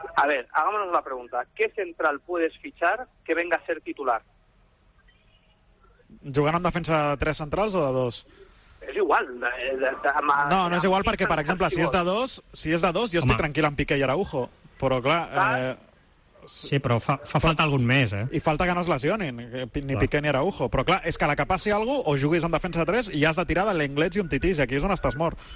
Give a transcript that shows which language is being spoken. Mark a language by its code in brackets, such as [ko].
[es] A ver, hagámonos la pregunta. ¿Qué central puedes fichar que venga a ser titular? [ca] ¿Jugant en defensa de tres centrals o de dos? És igual. No és igual perquè, per exemple, si és de dos, jo estic tranquil amb Piqué i Araujo. Però, clar... Sí, però fa falta algun més, eh? I falta que no es lesionin, ni Piqué ni Araujo. Però, clar, és que la que passi algú o juguis en defensa 3 i has de tirar de l'Englets i un Titi, aquí és on estàs mort.